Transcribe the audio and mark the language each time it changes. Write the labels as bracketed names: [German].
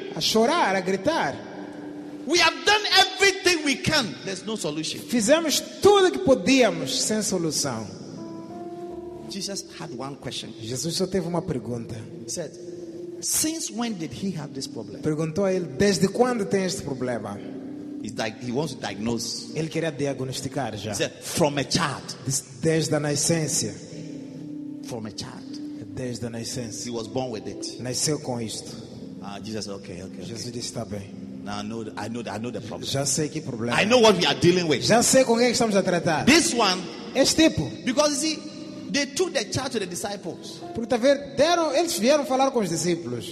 [Portuguese] A chorar, a gritar. [English] We have done everything we can. There's no solution. [Portuguese] Fizemos tudo que podíamos, sem solução. [English] Jesus had one question. [Portuguese] Jesus só teve uma pergunta. [English] He said, "Since when did he have this problem?" [Portuguese] Perguntou a ele, desde quando tem este problema? [English] He wants to diagnose. [Portuguese] Ele queria diagnosticar já. [English] He said, "From a child." [Portuguese] Desde a nascença. [English] From a child. [Portuguese] Desde a nascença. [English] He was born with it. [Portuguese] Nasceu com isto. [English] Jesus, okay. [Portuguese] Jesus disse, está bem. [English] Now I know the problem. [Portuguese] Já sei que problema. [English] I know what we are dealing with. [Portuguese] Já sei com quem estamos a tratar. [English] This one, [Portuguese] este tipo, [English] because you see, they took the child to the disciples. [Portuguese] Porque tá vendo, eles vieram falar com os discípulos.